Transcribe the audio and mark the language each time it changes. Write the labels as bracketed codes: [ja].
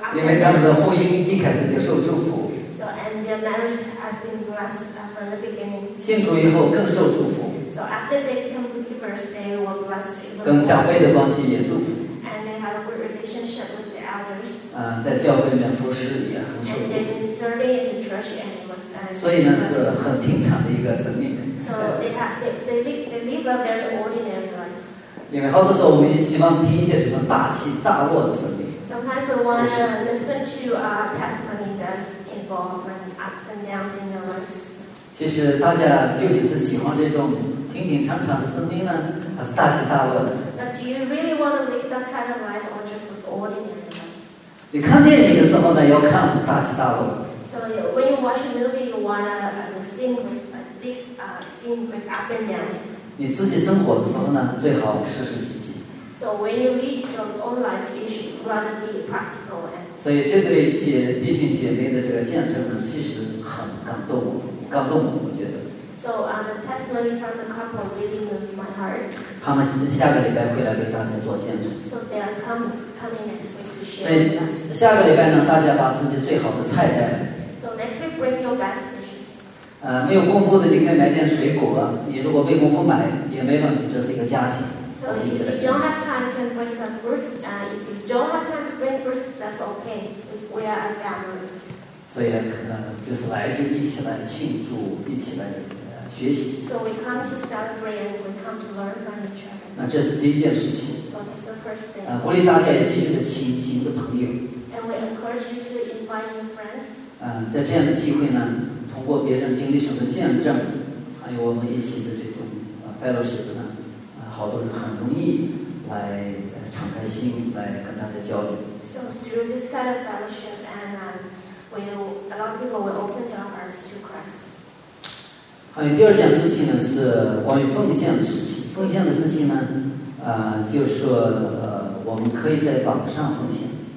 [zh] 因为他们的婚姻一开始就受祝福。 [en] So and their marriage has been blessed from the beginning. [zh] 信主以后更受祝福。 [en] So after they become believers, they were blessed. [zh] 跟长辈的关系也祝福。 [en] And they have a good relationship with the elders. [zh] 在教会里面服侍也很受祝福。 [en] And they have been serving in the church and. [zh] 所以呢，是很平常的一个生命。 [en] So they live a very ordinary life. [zh] 因为好多时候我们希望听一些这种大起大落的生命。 [en] Sometimes we want to listen to a testimony that's involved and ups and downs in your lives. [zh] 其实大家究竟是喜欢这种平平常常的生命呢，还是大起大落的 [en] ？Now, do you really want to live that kind of life or just an ordinary life? [zh] 你看电影的时候呢，要看大起大落。 [en] So when you watch a movie, you want a scene, a big scene with up and downs. [zh] 你自己生活的时候呢，最好实实际际。 [en] So when you lead your own life, you should rather be practical. [zh] 所以这对弟兄姐妹的这个见证呢，其实很感动，感动我觉得。 [en] So the testimony from the couple really moved my heart. [zh] 他们下个礼拜会来给大家做见证。 [en] So they are coming next week to share. [zh] 所以下个礼拜呢，大家把自己最好的菜带来。 [en] Bring your best dishes. [zh] 没有功夫的，你可以买点水果。你如果没功夫买，也没问题。这是一个家庭。 [en] So if you don't have time, you can bring some fruits. If you don't have time to bring fruits, that's okay. We are a family. [zh] 所以，就是来就一起来庆祝，一起来学习。 [en] So we come to celebrate and we come to learn from each other. [zh] 那这是第一件事情。 [en] So that's the first thing. [zh] 鼓励大家也继续的请新的朋友。 [en] And we encourage you to invite new friends. [zh] 在这样的机会呢，通过别人经历什么见证，还有我们一起的这种fellowship 呢，好多人很容易来敞开心来跟大家交流。 [en] So through this kind of fellowship and a lot of people will open their hearts to Christ. [zh] 还有第二件事情呢，是关于奉献的事情。奉献的事情呢，就是说我们可以在网上奉献。